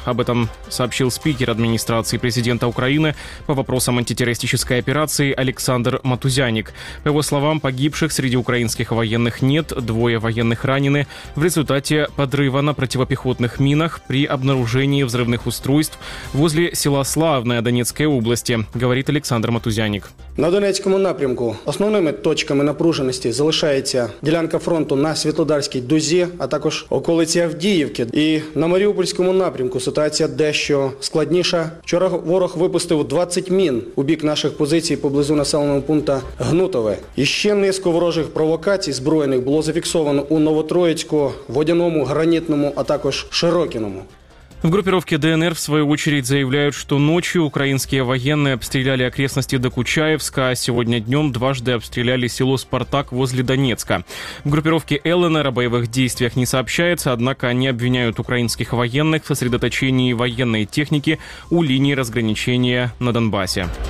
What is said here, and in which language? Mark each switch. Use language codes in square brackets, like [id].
[ru] Об этом сообщил спикер администрации президента Украины по вопросам антитеррористической операции Александр Матузяник. По его словам, погибших среди украинских военных нет, двое военных ранены в результате подрыва на противопехотных минах при обнаружении взрывных устройств возле села Славное Донецкой области, говорит Александр Матузяник. [uk] На Донецькому напрямку основными точками напруженості залишається ділянка фронту на Світлодарській дузі, а також околиці Авдіївки. І на Маріупольському напрямку ситуація дещо складніша. Вчора ворог випустив 20 мін у бік наших позицій поблизу населеного пункту Гнутове. І ще низку ворожих провокацій збройних було зафіксовано у Новотроїцьку, Водяному, Гранітному, а також Широкіному. [ru] В группировке ДНР, в свою очередь, заявляют, что ночью украинские военные обстреляли окрестности Докучаевска, а сегодня днем дважды обстреляли село Спартак возле Донецка. В группировке ЛНР о боевых действиях не сообщается, однако они обвиняют украинских военных в сосредоточении военной техники у линии разграничения на Донбассе.